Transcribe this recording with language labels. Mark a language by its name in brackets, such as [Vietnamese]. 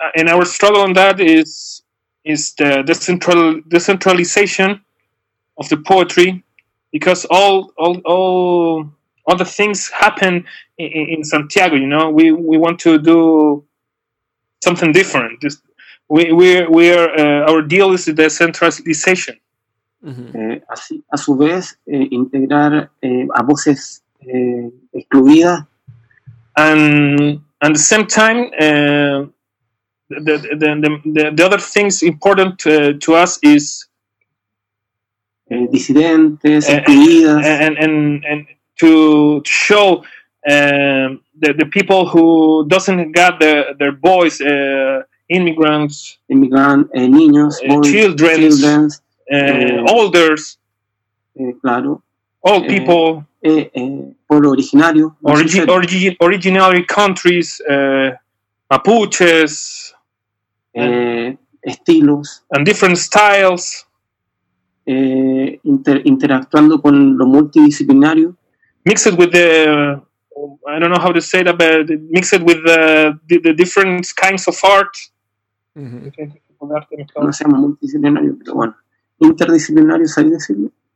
[English] And our struggle on that is the decentralization of the poetry, because all the things happen in Santiago. You know, we want to do something different. Just, We are our deal is decentralization. [Spanish] Así, a su vez, integrar a voces excluidas. [English] And at the same time, the other things important to us is [Spanish] disidentes, excluidas, [English] and to show the people who doesn't got their voice. Immigrants, [Spanish] niños, [English] boys, children, olders, [Spanish] claro, [English] old people, [Spanish] pueblo originario, [English] originary countries, Mapuches, [Spanish] estilos, [English] and different styles, [Spanish] interactuando con lo multidisciplinario, [English] mixed with the I don't know how to say that, but mixed with the different kinds of art. [Spanish] Mm-hmm. No se llama multidisciplinario, pero bueno, interdisciplinario, ¿sabes decirlo?